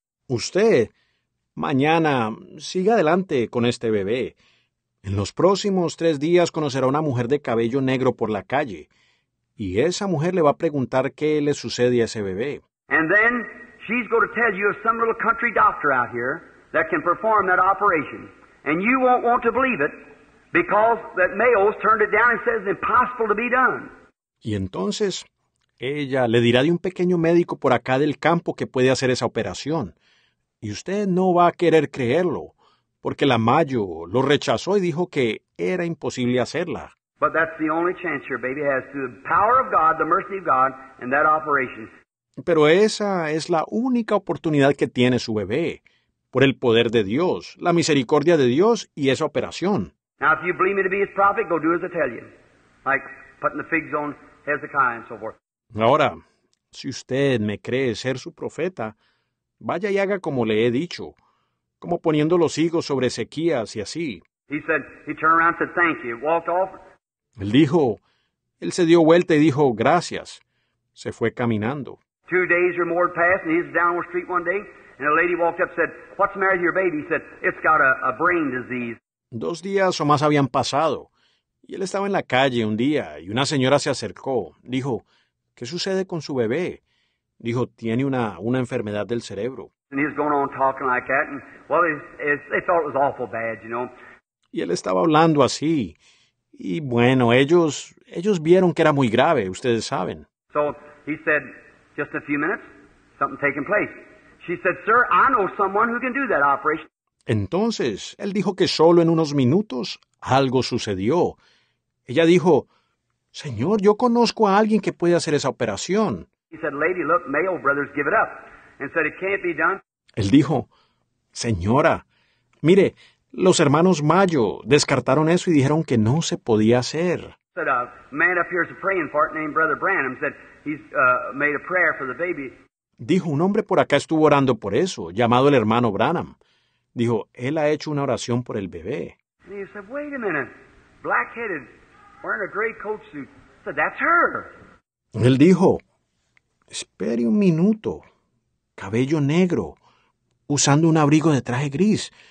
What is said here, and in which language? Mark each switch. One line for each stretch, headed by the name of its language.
Spanish: Usted, mañana, siga adelante con este bebé. En los próximos 3 días conocerá a una mujer de cabello negro por la calle. Y esa mujer le va a preguntar qué le sucede a ese bebé.
English: "And then she's going to tell you of some little country doctor out here that can perform that operation. And you won't want to believe it because that Mayo's turned it down and says it's impossible to be done."
Spanish: Y entonces, ella le dirá de un pequeño médico por acá del campo que puede hacer esa operación. Y usted no va a querer creerlo, porque la Mayo lo rechazó y dijo que era imposible hacerla.
English: "But that's the only chance your baby has through the power of God, the mercy of God, and that operation."
Spanish: Pero esa es la única oportunidad que tiene su bebé, por el poder de Dios, la misericordia de Dios y esa operación.
English: "Now, if you believe me to be his prophet, go do as I tell you. Like putting the figs on Hezekiah and so forth."
Spanish: Ahora, si usted me cree ser su profeta, vaya y haga como le he dicho, como poniendo los higos sobre Ezequías y así.
English: He said, he turned around and said, "Thank you." Walked off.
Spanish: Él dijo, él se dio vuelta y dijo, "Gracias." Se fue caminando.
English: 2 days or more passed, and he was down the street one day, and a lady walked up and said, "What's the matter with your baby?" He said, "It's got a brain disease."
Spanish: 2 días o más habían pasado, y él estaba en la calle un día, y una señora se acercó. Dijo, "¿Qué sucede con su bebé?" Dijo, "Tiene una enfermedad del cerebro."
English: And he was going on talking like that, and well, they thought it was awful bad, you know.
Spanish: Y él estaba hablando así, y bueno, ellos vieron que era muy grave, ustedes saben.
English: So he said, "Just a few minutes, something taking place." She said, "Sir, I know someone who can do that operation."
Spanish: Entonces, él dijo que solo en unos minutos algo sucedió. Ella dijo, "Señor, yo conozco a alguien que puede hacer esa operación."
English: He said, "Lady, look, Mayo brothers give it up and said it can't be done."
Spanish: Él dijo, "Señora, mire, los hermanos Mayo descartaron eso y dijeron que no se podía hacer."
English: He said, "A man up here is praying for it named Brother Branham said he's made a prayer for the baby."
Spanish: Dijo, un hombre por acá estuvo orando por eso, llamado el hermano Branham. Dijo, él ha hecho una oración por el bebé.
English: And he said, "Wait a minute, black-headed, wearing a gray coat suit." He said, "That's her."
Spanish: Él dijo, "Espere un minuto, cabello negro, usando un abrigo de traje gris."